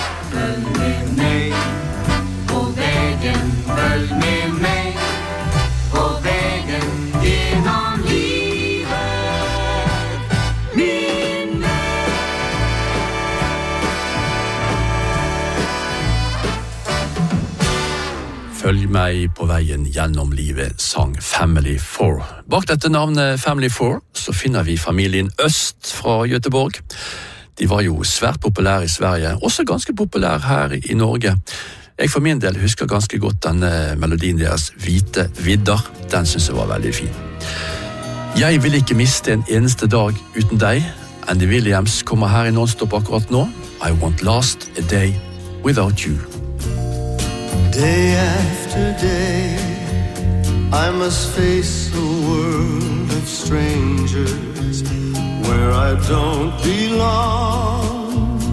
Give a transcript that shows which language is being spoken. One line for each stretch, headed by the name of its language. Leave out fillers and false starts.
Swedish: Följ med mig på vägen, följ med mig på vägen genom livet, min vän. Följ mig på vägen genom livet, sång Family Four.
Norwegian: Bak dette navnet Family Four så finner vi familien Øst fra Göteborg. De var jo svært populære I Sverige, også ganske populære her I Norge. Jeg for min del husker ganske godt den melodien deres Hvite Vidder. Den synes jeg var veldig fin. Jeg vil ikke miste en eneste dag uten deg. Andy Williams kommer her I Nonstop akkurat nå.
English: I won't last a day without you. Day after day, I must face a world of strangers where I don't belong.